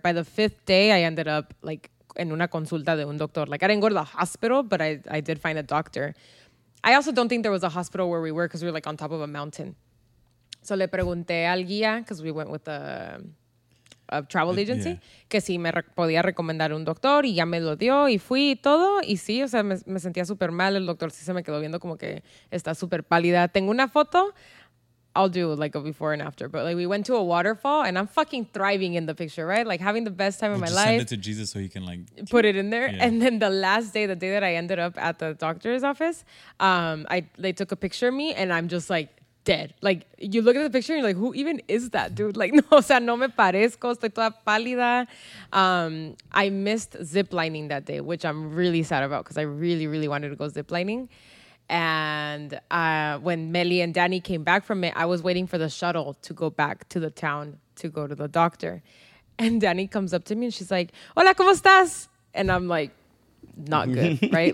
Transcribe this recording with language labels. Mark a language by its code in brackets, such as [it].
[en] By the fifth day, I ended up like in [es] una consulta de un doctor. [en] Like I didn't go to the hospital, but I did find a doctor. I also don't think there was a hospital where we were because we were like on top of a mountain. So [es] le pregunté al guía [en] because we went with a travel agency. Yeah. [es] Que si me podía recomendar un doctor y ya me lo dio y fui y todo. Y sí, o sea, me sentía súper mal. El doctor sí se me quedó viendo como que está súper pálida. Tengo una foto. [en] I'll do like a before and after, but like we went to a waterfall and I'm fucking thriving in the picture, right? Like having the best time of my life. Send it to Jesus so he can like put it in there. Yeah. And then the last day, the day that I ended up at the doctor's office, they took a picture of me and I'm just like dead. Like you look at the picture and you're like, who even is that dude? [es] Like, no, o sea, no me parezco, estoy toda pálida. [en] I missed zip lining that day, which I'm really sad about because I really, really wanted to go zip lining. And when Meli and Danny came back from it, I was waiting for the shuttle to go back to the town to go to the doctor. And Danny comes up to me and she's like, [es] hola, ¿cómo estás? [en] And I'm like, not good, right?